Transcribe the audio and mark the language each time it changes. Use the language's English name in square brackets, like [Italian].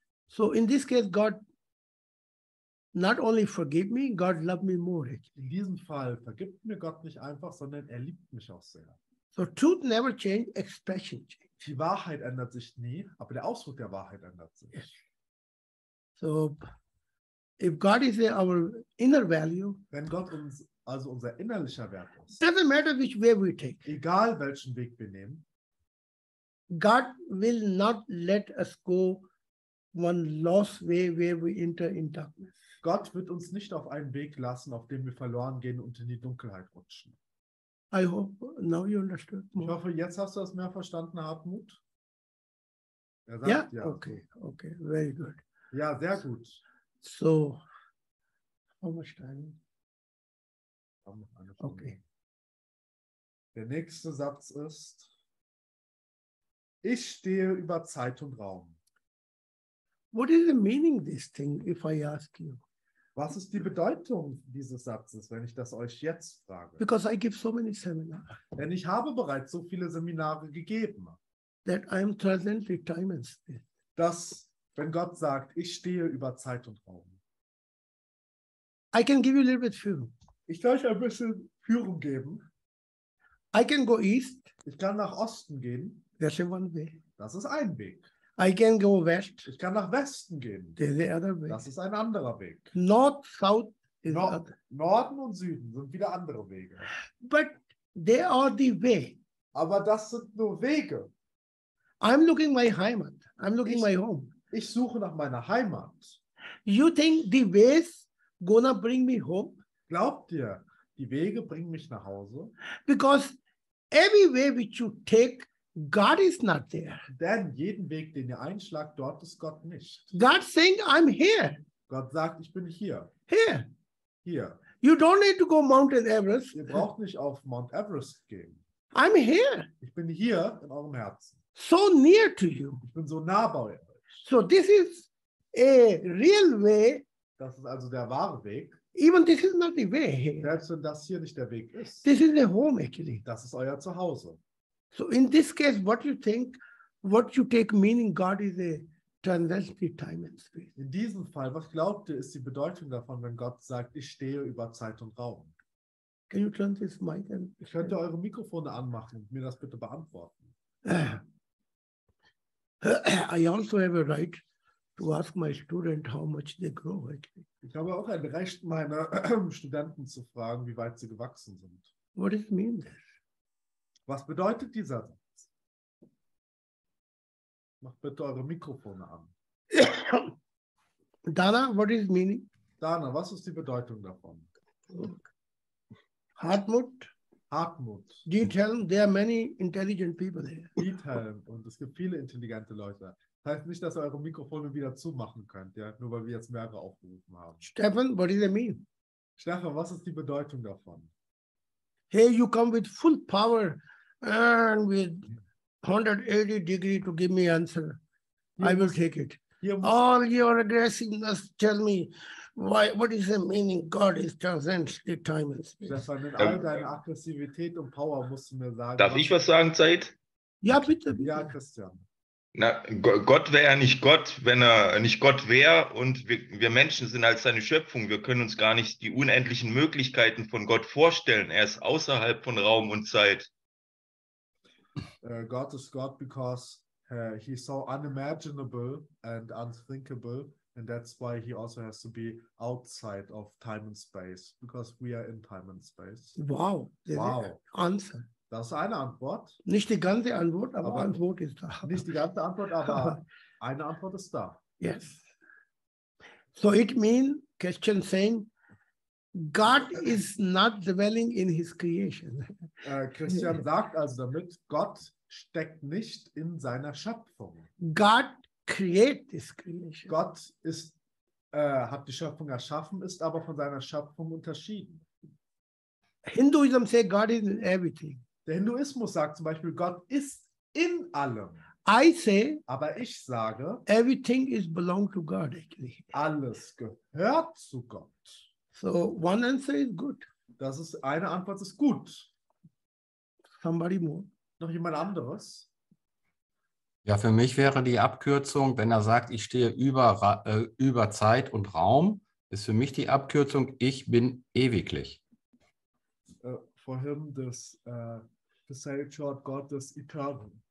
[English] So, in this case, God not only forgave me, God loved me more. [German] In diesem Fall vergibt mir Gott nicht einfach, sondern er liebt mich auch sehr. [English] So, truth never change, expression change. [German] Die Wahrheit ändert sich nie, aber der Ausdruck der Wahrheit ändert sich. [English] So, if God is our inner value, [German] wenn Gott uns also unser innerlicher Wert ist, [English] doesn't matter which way we take, [German] egal welchen Weg wir nehmen, [English] God will not let us go one lost way where we enter in darkness. [German] Gott wird uns nicht auf einen Weg lassen, auf dem wir verloren gehen und in die Dunkelheit rutschen. [English] I hope now you understood. [German] Ich hoffe, jetzt hast du es mehr verstanden, Hartmut. Er sagt, [English] yeah? [German] Ja, okay, [English] very good. [German] Ja, sehr gut. [English] So, how much time? Okay. [German] Der nächste Satz ist: Ich stehe über Zeit und Raum. [English] What is the meaning of this thing, if I ask you? [German] Was ist die Bedeutung dieses Satzes, wenn ich das euch jetzt frage? [English] Because I give so many seminars. [German] Denn ich habe bereits so viele Seminare gegeben. [English] That I am transcendent with time and space. [German] Dass, wenn Gott sagt, ich stehe über Zeit und Raum. [English] I can give you a little bit Führung. [German] Ich kann euch ein bisschen Führung geben. [English] I can go east. [German] Ich kann nach Osten gehen. [English] That's one way. [German] Das ist ein Weg. [English] I can go west. [German] Ich kann nach Westen gehen. [English] The other way. [German] Das ist ein anderer Weg. [English] North, south [German] is Norden und Süden sind wieder andere Wege. [English] But they are the way. [German] Aber das sind nur Wege. [English] I'm looking my Heimat. I'm looking my home. [German] Ich suche nach meiner Heimat. [English] You think the ways gonna bring me home? [German] Glaubt ihr, die Wege bringen mich nach Hause? [English] Because every way which you take, God is not there. [German] Denn jeden Weg, den ihr einschlagt, dort ist Gott nicht. [English] God saying, I'm here. [German] Gott sagt, ich bin hier. [English] Here. [German] Hier. [English] You don't need to go Mount Everest. [German] Ihr braucht nicht auf Mount Everest gehen. [English] I'm here. [German] Ich bin hier in eurem Herzen. [English] So near to you. [German] Ich bin so nah bei euch. [English] So this is a real way. [German] Das ist also der wahre Weg. [English] Even this is not the way. [German] Selbst wenn das hier nicht der Weg ist. [English] This is a home actually. [German] Das ist euer Zuhause. [English] So in this case, what you think, what you take meaning God is a transcendental time and space. [German] In diesem Fall, was glaubt ihr, ist die Bedeutung davon, wenn Gott sagt, ich stehe über Zeit und Raum? [English] Can you turn this mic and... [German] Könnt ihr eure Mikrofone anmachen und mir das bitte beantworten? [English] I also have a right to ask my student how much they grow. [German] Ich habe auch ein Recht, meine Studenten zu fragen, wie weit sie gewachsen sind. [English] What does it mean this? [German] Was bedeutet dieser Satz? Macht bitte eure Mikrofone an. [English] Dana, what is meaning? [German] Dana, was ist die Bedeutung davon? Hartmut. Hartmut. [English] Diethelm, there are many intelligent people here. [German] Diethelm, und es gibt viele intelligente Leute. Das heißt nicht, dass ihr eure Mikrofone wieder zumachen könnt, ja? Nur weil wir jetzt mehrere aufgerufen haben. [English] Stefan, what does it mean? [German] Stefan, was ist die Bedeutung davon? [English] Hey, you come with full power and with 180 degree to give me answer. I will take it. All your aggressiveness tell me why, what is the meaning God is transcendent in time and space. [German] Das war mit all deiner Aggressivität und Power, musst du mir sagen. Darf ich was sagen, Zeit? Ja, bitte, bitte. Ja, Christian. Na, Gott wäre ja nicht Gott, wenn er nicht Gott wäre, und wir Menschen sind halt seine Schöpfung. Wir können uns gar nicht die unendlichen Möglichkeiten von Gott vorstellen. Er ist außerhalb von Raum und Zeit. Gott ist Gott, [English] because he's so unimaginable and unthinkable, and that's why he also has to be outside of time and space, because we are in time and space. Wow, wow. Answer. [German] Das ist eine Antwort. Nicht die ganze Antwort, aber Antwort ist da. Nicht die ganze Antwort, aber eine Antwort ist da. [English] Yes. So it means, question saying, God is not dwelling in his creation. [German] Christian sagt also damit, Gott steckt nicht in seiner Schöpfung. [English] God create this creation. [German] Gott ist, hat die Schöpfung erschaffen, ist aber von seiner Schöpfung unterschieden. [English] Hinduism says God is in everything. [German] Der Hinduismus sagt zum Beispiel, Gott ist in allem. [English] I say, [German] aber ich sage, [English] everything is belong to God, actually. [German] Alles gehört zu Gott. [English] So one answer is good. [German] Das ist eine Antwort, ist gut. [English] Somebody more? [German] Noch jemand anderes? Ja, für mich wäre die Abkürzung, wenn er sagt, ich stehe über Zeit und Raum, ist für mich die Abkürzung, ich bin ewiglich. [English] For him, this to say it short, God is eternal.